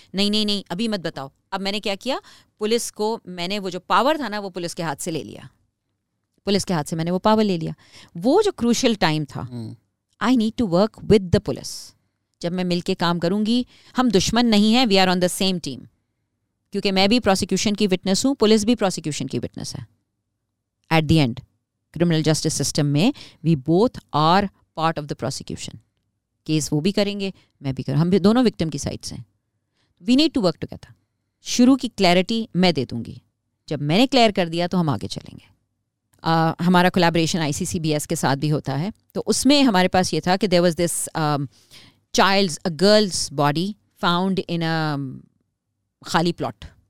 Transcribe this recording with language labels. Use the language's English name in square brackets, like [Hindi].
[Urdu] نہیں نہیں نہیں, ابھی مت بتاؤ. اب میں نے کیا کیا, پولیس کو میں نے وہ جو پاور تھا نا وہ پولیس کے ہاتھ سے لے لیا. پولیس کے ہاتھ سے میں نے وہ پاور لے لیا. وہ جو کروشل ٹائم تھا, [English] I need to work with the police. [Urdu] جب میں مل کے کام کروں گی, ہم دشمن نہیں ہیں, [English] We are on the same team. [Urdu] کیونکہ میں بھی پروسیکیوشن کی وٹنس ہوں, پولیس بھی پروسیکیوشن کی وٹنس ہے. [English] At the end criminal justice system میں we both are part of the prosecution. [Urdu] Case وہ بھی کریں گے, میں بھی کروں, ہم بھی دونوں وکٹم کی سائڈ سے ہیں. [English] We need to work together. [Urdu] شروع کی کلیئرٹی میں دے دوں گی, جب میں نے کلیئر کر دیا تو ہم آگے چلیں گے. ہمارا کولیبریشن آئی سی سی بی ایس کے ساتھ بھی ہوتا ہے, تو اس میں ہمارے پاس یہ تھا کہ [English] there was this childs, a girl's body found in a [Urdu] خالی پلاٹ.